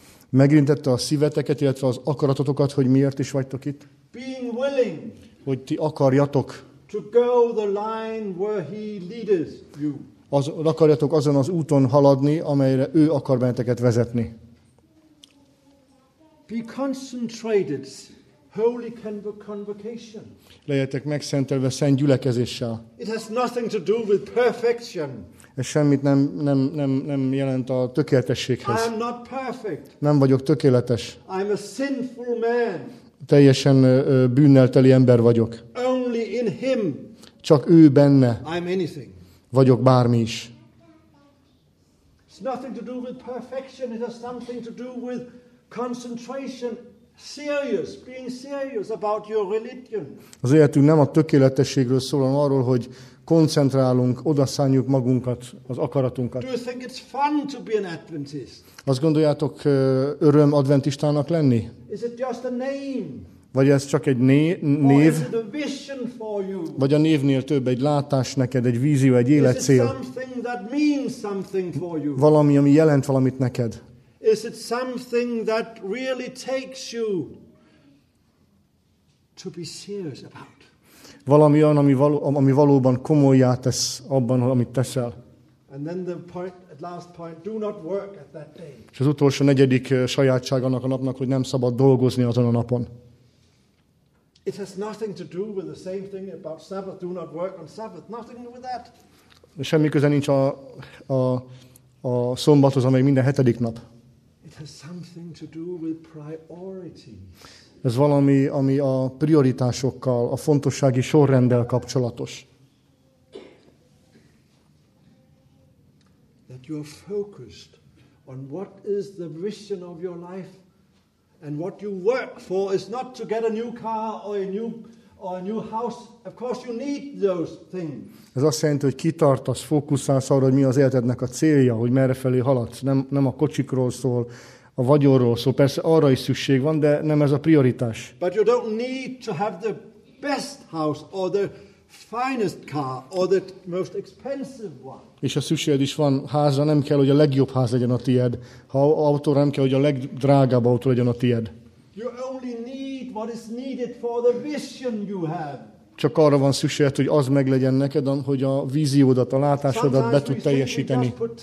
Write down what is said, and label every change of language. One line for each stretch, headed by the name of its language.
Hungarian: Megérintette a szíveteket, illetve az akaratotokat, hogy miért is vagytok itt?
English: Being willing.
Hungarian: Hogy ti akarjatok.
English: To go the line where he leads you.
Hungarian: Akarjatok azon az úton haladni, amelyre ő akar benneteket vezetni.
English: Be concentrated, holy convocation.
Hungarian: Legyetek megszentelve szent gyülekezéssel.
English: It has nothing to do with perfection.
Hungarian: Ez semmit nem jelent a tökéletességhez.
English: I am not perfect.
Hungarian: Nem vagyok tökéletes.
English: I am a sinful man.
Hungarian: Teljesen bűnnel teli ember vagyok.
English: Only in him.
Hungarian: Csak ő benne.
English: I am anything.
Hungarian: Vagyok bármi is.
English: It's nothing to do with perfection. It has something to do with concentration, serious, being serious about your religion.
Hungarian: Az életünk nem a tökéletességről szól, hanem arról, hogy koncentrálunk, odaszánjuk magunkat, az akaratunkat.
English: Do you think it's fun to be an Adventist?
Hungarian: Azt gondoljátok, öröm adventistának lenni?
English: Is it just a name?
Hungarian: Vagy ez csak egy név?
English: Or is it a vision for you?
Hungarian: Vagy a névnél több, egy látás neked, egy vízió, egy életcél?
English: Is it something that means something for you?
Hungarian: Valami, ami jelent valamit neked?
English: Is it something that really takes you to be serious about?
Hungarian: Valami olyan, ami valóban komolyá tesz abban, amit teszel.
English: And then the point, at last point, do not work at that day.
Hungarian: És az utolsó negyedik sajátság annak a napnak, hogy nem szabad dolgozni azon a napon.
English: It has nothing to do with the same thing about Sabbath. Do not work on Sabbath. Nothing with that.
Hungarian: Semmi köze nincs a szombathoz, amely minden hetedik nap.
English: It has something to do with priority.
Hungarian: Ez valami, ami a prioritásokkal, a fontossági sorrenddel kapcsolatos.
English: That you are focused on what is the vision of your life and what you work for is not to get a new car or a new house. Of course you need those things.
Hungarian: Ez azt jelenti, hogy kitartasz, fókuszálsz arra, hogy mi az életednek a célja, hogy merre felé haladsz. Nem a kocsikról szól, a vagyonról szól. Persze arra is szükség van, de nem ez a prioritás.
English: But you don't need to have the best house or the finest car or the most expensive one.
Hungarian: És a szükséged is van háza, nem kell, hogy a legjobb ház legyen a tied. Ha autó, nem kell, hogy a legdrágább autó legyen a tied.
English: You only need what is needed for the vision you have.
Hungarian: Csak arra van szükséged, hogy az meglegyen neked, hogy a víziódat, a látásodat be tud teljesíteni.